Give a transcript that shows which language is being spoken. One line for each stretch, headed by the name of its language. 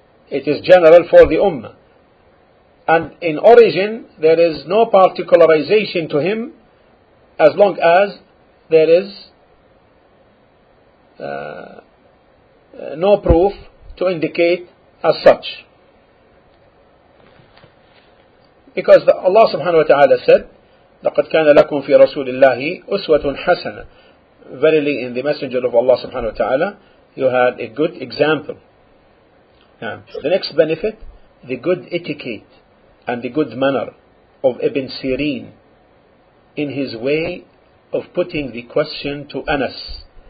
English: It is general for the Ummah. And in origin, there is no particularization to him as long as there is no proof to indicate as such. Because Allah subhanahu wa ta'ala said,
Arabic: لَقَدْ كَانَ لَكُمْ فِي رَسُولِ اللَّهِ أُسْوَةٌ حَسَنًا.
English: Verily, in the Messenger of Allah subhanahu wa ta'ala, you had a good example. Yeah. The next benefit, the good etiquette and the good manner of Ibn Sirin in his way of putting the question to Anas.